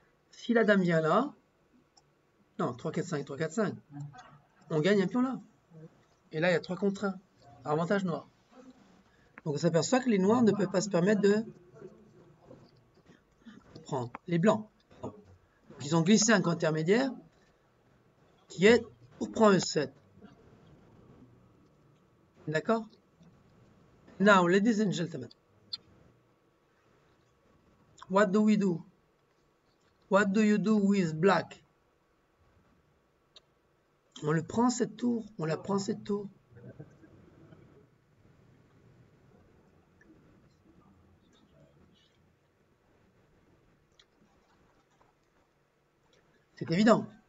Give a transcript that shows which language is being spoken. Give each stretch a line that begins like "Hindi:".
French: Si la dame vient là, non, 3, 4, 5, 3, 4, 5. On gagne un pion là. Et là, il y a 3 contre 1. Avantage noir. Donc on s'aperçoit que les noirs ne peuvent pas se permettre de... Les blancs. Donc, ils ont glissé un intermédiaire qui est pour prendre un 7. D'accord?
English: Now, ladies and gentlemen, what do we do? What do you do with black?
French: On le prend cette tour, on la prend cette tour. C'est évident.